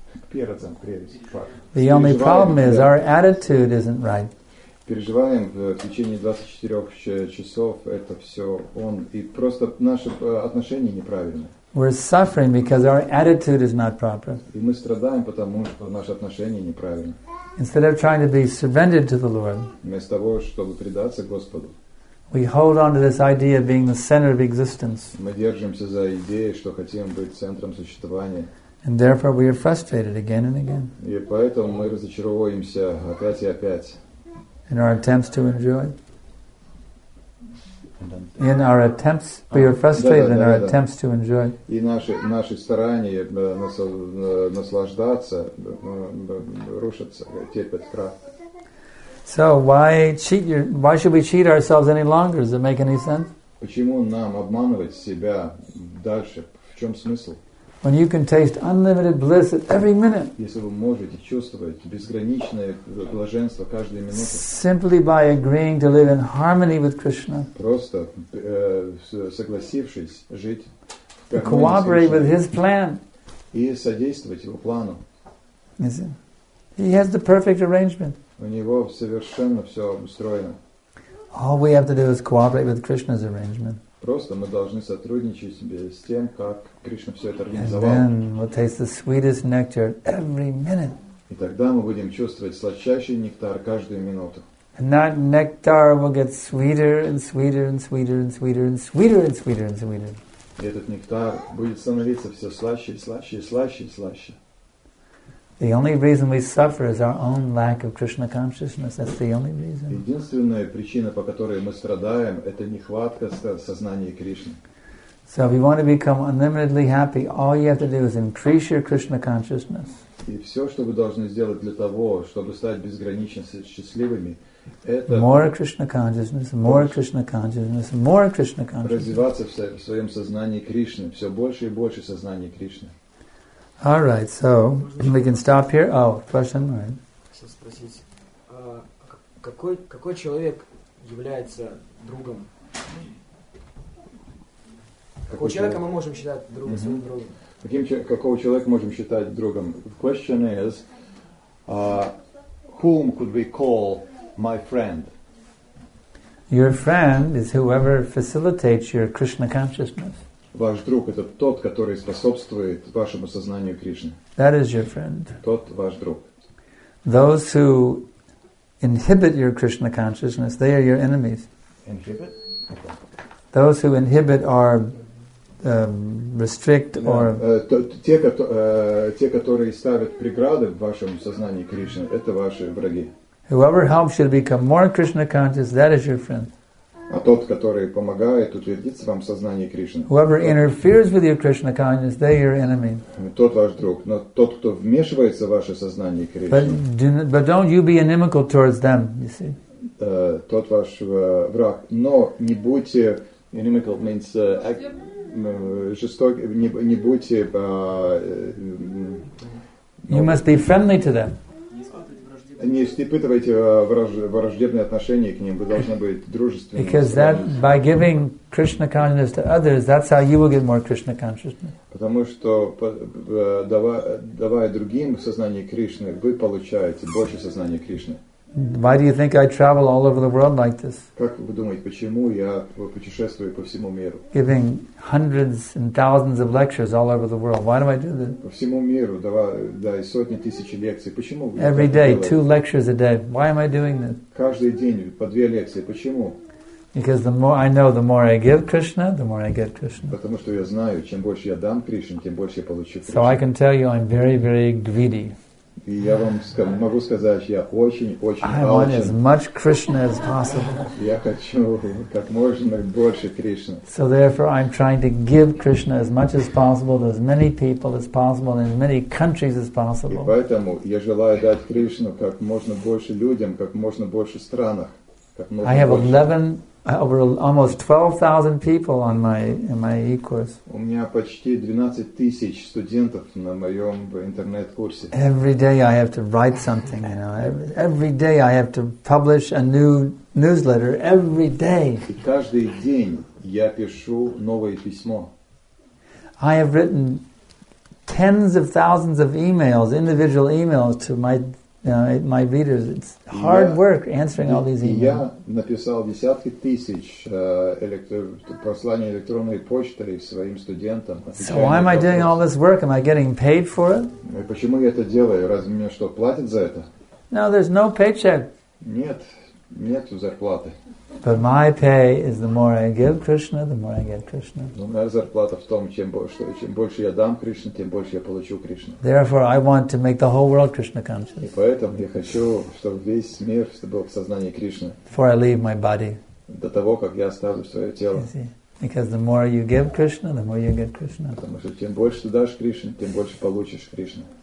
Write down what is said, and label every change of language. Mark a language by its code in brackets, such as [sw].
[en] The only problem is our attitude isn't right. [ru] Переживаем в течение 24 часов это все он и просто наши отношения неправильные. [en] We're suffering because our attitude is not proper. [ru] И мы страдаем потому что наши отношения неправильные. [en] Instead of trying to be surrendered to the Lord. [ru] Вместо того чтобы предаться Господу. [en] We hold on to this idea of being the center of existence. [ru] Мы держимся за идею что хотим быть центром существования. [en] And therefore we are frustrated again and again. [ru] И поэтому мы разочаровываемся опять и опять. [en] In our attempts to enjoy. In our attempts, we are frustrated in our attempts to enjoy. [ru] И наши старания наслаждаться рушатся, терпят крах. [en] So why should we cheat ourselves any longer? Does it make any sense? [ru] Почему нам обманывать себя дальше? В чем смысл? [en] When you can taste unlimited bliss at every minute. [ru] Если вы можете чувствовать безграничное блаженство каждую минуту. [en] Simply by agreeing to live in harmony with Krishna. [ru] Просто согласившись жить. [en] To cooperate with His plan. [ru] И содействовать Его плану. [en] He has the perfect arrangement. [ru] У него совершенно все устроено. [en] All we have to do is cooperate with Krishna's arrangement. [ru] Просто мы должны сотрудничать себе с тем, как Кришна все это организовал. [en] And then we'll taste the sweetest nectar every minute. [ru] И тогда мы будем чувствовать сладчайший нектар каждую минуту. [en] And that nectar will get sweeter and sweeter and sweeter and sweeter and sweeter and sweeter and sweeter. [ru] И этот нектар будет становиться все слаще и слаще и слаще и слаще. [en] The only reason we suffer is our own lack of Krishna consciousness. That's the only reason. [ru] Единственная причина, по которой мы страдаем, это нехватка сознания Кришны. [en] So if you want to become unlimitedly happy, all you have to do is increase your Krishna consciousness. [ru] И все, что вы должны сделать для того, чтобы стать безгранично счастливыми, это [en] more Krishna consciousness, more Krishna consciousness, more Krishna consciousness. [ru] Развиваться в своем сознании Кришны, все больше и больше сознания Кришны. [en] All right, so we can stop here. Oh, question, right? [ru] Хочу спросить, какой человек является другом? Какого человека мы можем считать другом, своим другом? Какого человека можем считать другом? [en] The question is, whom could we call my friend? Your friend is whoever facilitates your Krishna consciousness. [ru] Ваш друг — это тот, который способствует вашему сознанию Кришны. [en] That is your friend. [ru] Тот ваш друг. [en] Those who inhibit your Krishna consciousness, they are your enemies. Inhibit? Okay. Those who inhibit are restrict or [ru] те, которые ставят преграды в вашем сознании Кришны, это ваши враги. [en] Whoever helps you to become more Krishna conscious, that is your friend. [ru] А тот, который помогает утвердиться вам в сознании Кришны. [en] Whoever interferes with your Krishna consciousness, they are your enemy. [ru] Тот ваш друг, но тот, кто вмешивается в ваше сознание Кришны. [en] But don't you be inimical towards them, you see? [ru] Тот ваш враг, но не будьте [en] inimical means [ru] жестоки, не будьте. [en] You must be friendly to them. [ru] Не испытывайте враждебные отношения к ним. Вы должны быть дружественными. [en] Because that by giving Krishna consciousness to others, that's how you will get more Krishna consciousness. [ru] Потому что давая другим сознание Кришны, вы получаете больше сознания Кришны. [en] Why do you think I travel all over the world like this? [ru] Как вы думаете, почему я путешествую по всему миру? [en] Giving hundreds and thousands of lectures all over the world. Why do I do this? [ru] По всему миру, давай сотни тысяч лекций. Почему? [en] Every day, two lectures a day. Why am I doing this? [ru] Каждый день по две лекции. Почему? [en] Because the more I know, the more I give Krishna, the more I get Krishna. [ru] Потому что я знаю, чем больше я дам Кришне, тем больше я получу Кришну. [en] So I can tell you, I'm very, very greedy. [ru] И я вам могу сказать, что я очень-очень алчен. [en] I want as much Krishna as possible. [ru] Я хочу как можно больше Кришны. [en] So therefore I'm trying to give Krishna as much as possible to as many people as possible in as many countries as possible. [ru] И поэтому я желаю дать Кришну как можно больше людям, как можно больше странах. [en] I have 11, over almost 12,000 people on my e-course. [ru] У меня почти 12,000 студентов на моем интернет-курсе. [en] Every day I have to write something, you know. Every day I have to publish a new newsletter. Every day. [ru] И каждый день я пишу новое письмо. [en] I have written tens of thousands of emails, individual emails to my my readers. It's hard work answering all these emails. [ru] Я написал десятки тысяч посланий электронной почтой своим студентам. [en] So why am I doing all this work? Am I getting paid for it? [ru] Почему я это делаю? Разве мне что, платят за это? [en] No, there's no paycheck. [ru] Нет, нету зарплаты. [en] But my pay is the more I give Krishna, the more I get Krishna. [ru] Но моя зарплата в том, чем больше я дам Кришне, тем больше я получу Кришну. [en] Therefore, I want to make the whole world Krishna conscious. [ru] И поэтому я хочу, чтобы весь мир был в сознании Кришны. [en] Before I leave my body. [ru] До того, как я оставлю свое тело. [en] Because the more you give Krishna, the more you get Krishna. [ru] Потому что чем больше ты дашь Кришне, тем больше получишь Кришну.